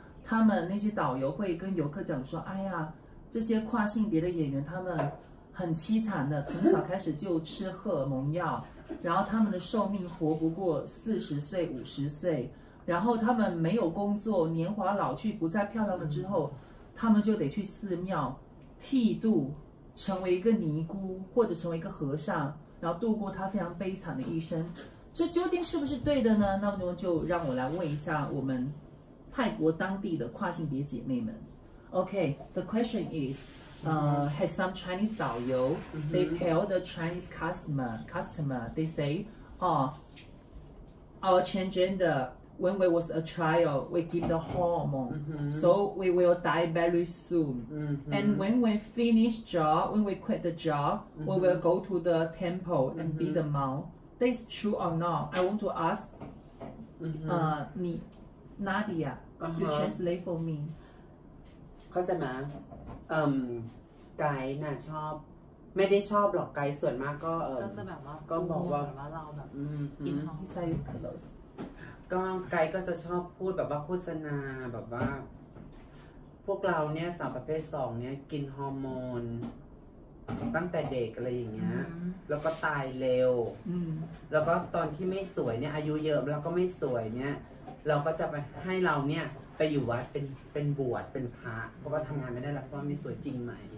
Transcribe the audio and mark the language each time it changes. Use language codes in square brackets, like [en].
[zh] 他们那些导游会跟游客讲说，哎呀，这些跨性别的演员他们很凄惨的，从小开始就吃荷尔蒙药，然后他们的寿命活不过40岁50岁，然后他们没有工作，年华老去不再漂亮了之后，他们就得去寺庙剃度，成为一个尼姑或者成为一个和尚，然后度过他非常悲惨的一生。这究竟是不是对的呢？那么就让我来问一下我们泰国当地的跨性别姐妹们。 [en] OK, the question is、has some Chinese 导游、they tell the Chinese customer, they say, oh, our transgender, when we was a child, we give the hormone、so we will die very soon、and when we finish job, when we quit the job、we will go to the temple and、be the monk. That is true or not? I want to ask、 [zh] 你 [en] Nadia、you translate for me. What's that? [th] ไกด์น่ะชอบไม่ได้ชอบหรอกไกด์ส่วนมากก็ ก็จะแบบว่า ก็บอกว่า เราแบบอินฮอสไซคลอส ก็ไกด์ก็จะชอบพูดแบบว่าโฆษณาแบบว่าพวกเราเนี่ยสาวประเภท2เนี่ยกินฮอร์โมนตั้งแต่เด็กอะไรอย่างเงี้ยแล้วก็ตายเร็วแล้วก็ตอนที่ไม่สวยเนี่ยอายุเยอะแล้วก็ไม่สวยเนี่ยเราก็จะไปให้เราเนี่ยไปอยู่วัดเป็นบวชเป็นพระเพราะว่าทำงานไม่ได้แล้วเพราะไม่สวยจริงไหม